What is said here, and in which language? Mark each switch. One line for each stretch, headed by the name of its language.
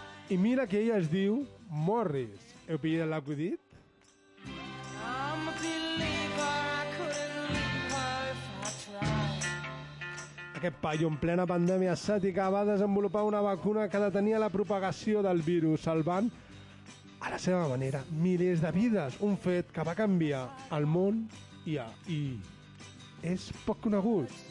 Catalan: I mira que ella es diu Morris. Heu pillat l'acudit?
English: I'm a believer, I couldn't leave her if I tried.
Catalan: Aquest paio en plena pandèmia asiàtica va desenvolupar una vacuna que detenia la propagació del virus, salvant, a la seva manera, milers de vides. Un fet que va canviar el món i és poc conegut.